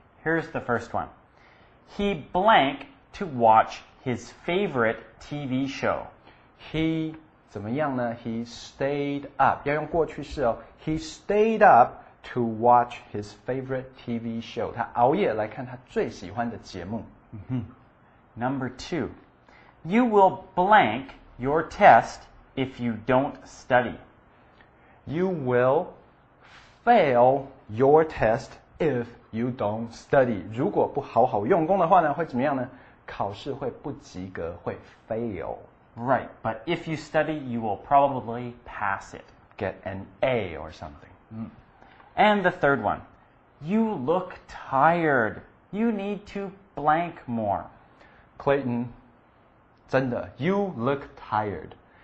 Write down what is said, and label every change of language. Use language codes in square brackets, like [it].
[en] Here's the first one. He blank to watch his favorite TV show. He [zh] 怎么样呢 ？ [en] He stayed up， [zh] 要用过去式哦。 [en] He stayed up to watch his favorite TV show. [zh] 他熬夜来看他最喜欢的节目。 [en] Number two, you will blank your test if you don't study. You will fail your test if you don't study. [zh] 如果不好好用功的话呢，会怎么样呢？考试会不及格，会 fail. [en] Right, but if you study, you will probably pass it. Get an A or something. And the third one. You look tired. You need to blank more. Clayton, [zh] 真的 [en] you look tired.